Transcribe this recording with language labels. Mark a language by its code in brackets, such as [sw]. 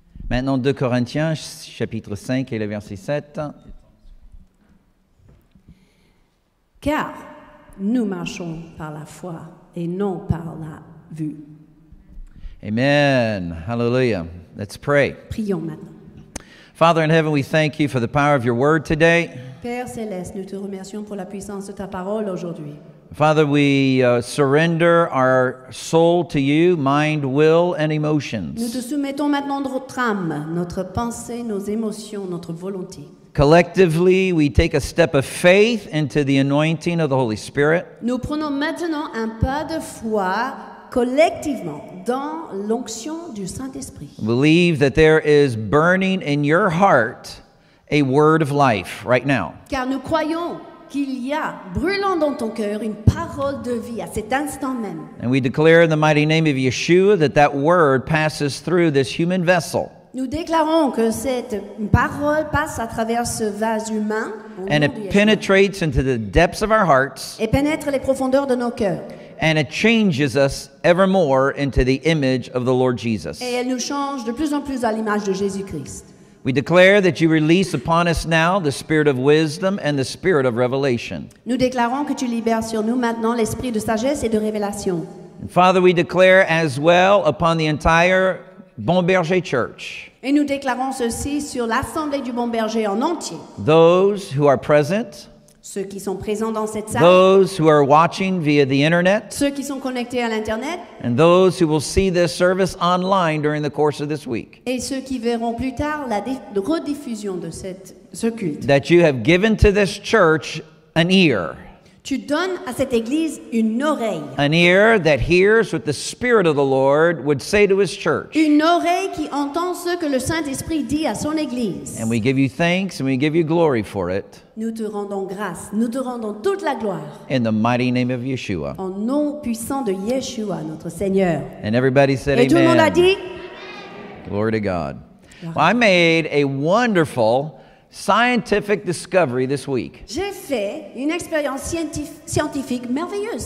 [fr] Maintenant, 2 Corinthiens, chapitre 5 et le verset 7. Car nous marchons par la foi et non par la vue. [en] Amen. Hallelujah. Let's pray. [fr] Prions maintenant. [en] Father in heaven, we thank you for the power of your word today. [fr] Père céleste, nous te remercions pour la puissance de ta parole aujourd'hui. [en] Father, we surrender our soul to you, mind, will, and emotions. [fr] Nous te soumettons maintenant notre âme, notre pensée, nos émotions, notre volonté. [en] Collectively, we take a step of faith into the anointing of the Holy Spirit. [fr] Nous prenons maintenant un pas de foi collectivement dans l'onction du Saint-Esprit. [en] Believe that there is burning in your heart a word of life right now. [fr] Car nous croyons qu'il y a brûlant dans ton cœur une parole de vie à cet instant même. [en] And we declare in the mighty name of Yeshua that that word passes through this human vessel. [fr] Nous déclarons que cette parole passe à travers ce vase humain. [en] And it penetrates into the depths of our hearts. [fr] Et pénètre les profondeurs de nos cœurs. [en] And it changes us ever more into the image of the Lord Jesus. [fr] Et elle nous change de plus en plus à l'image de Jésus-Christ. [en] We declare that you release upon us now the spirit of wisdom and the spirit of revelation. [fr] Nous déclarons que tu libères sur nous maintenant l'esprit de sagesse et de révélation. [en] And Father, we declare as well upon the entire Bon Berger Church. [fr] Et nous déclarons ceci sur l'assemblée du Bon Berger en entier. [en] Those who are present. [fr] Ceux qui sont présents dans cette salle. [en] Those who are watching via the internet. [fr] Ceux qui sont connectés à l'internet. [en] And those who will see this service online during the course of this week. [fr] Et ceux qui verront plus tard la rediffusion de ce culte. [en] That you have given to this church an ear. [fr] Tu donnes à cette église une oreille. [en] An ear that hears what the Spirit of the Lord would say to his church. [fr] Une oreille qui entend ce que le Saint-Esprit dit à son église. [en] And we give you thanks and we give you glory for it. [fr] Nous te rendons grâce, nous te rendons toute la gloire. [en] In the mighty name of Yeshua. [fr] En nom puissant de Yeshua, notre Seigneur. [en] And everybody said amen. [fr] Et tout le monde a dit. [en] Glory to God. Well, I made a wonderful scientific discovery this week. [fr] J'ai fait une expérience scientifique merveilleuse